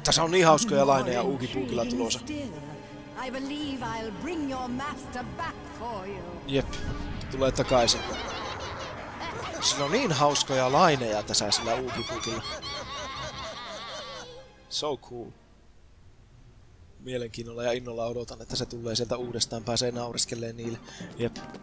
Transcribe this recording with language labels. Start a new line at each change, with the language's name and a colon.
Finnish: Tässä on niin hauskoja laineja Oogie Boogiella tulossa.
English: I believe I'll bring your master back for you.
Finnish: Jep, tulee takaisin. Sillä on niin hauskoja laineja tässä sillä Oogie Boogiella.
English: So cool.
Finnish: Mielenkiinnolla ja innolla odotan, että se tulee sieltä uudestaan, pääsee naureskelleen niille. Jep.